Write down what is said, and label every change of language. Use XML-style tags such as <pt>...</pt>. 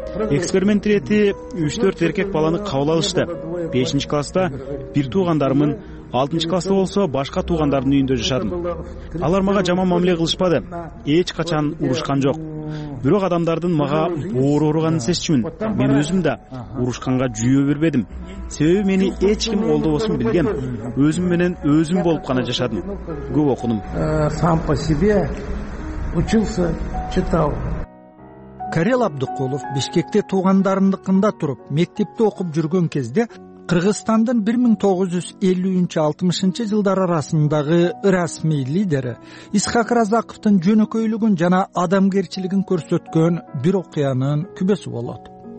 <ky>Эксперимент ирети 3-4 эркек баланы кабыл алышты. 5-чи класста бир туугандарымын 6-чы класста болсо башка туугандардын үйүндө жашадым. Алар мага жаман мамиле кылышпады. Эч качан урушкан жок. Бирок адамдардын мага боору ооруганын сезчүмүн. Мен өзүм да урушканга жүйө бербедим. Себеби мени эч ким колдобосун билген. Өзүм менен өзүм болуп гана жашадым. Көп окудум.</ky> <ru>Сам по себе учился, читал.</ru> <ky>Карел Абдыкулов Бишкекте туугандарындыкында туруп, мектепте окуп жүргөн кезде Кыргызстандын 1953-60 жылдары арасындагы расмий лидери Исхак Разаковдун жөнөкөйлүгүн жана адамгерчилигин көрсөткөн бир окуянын күбөсү болот.</ky>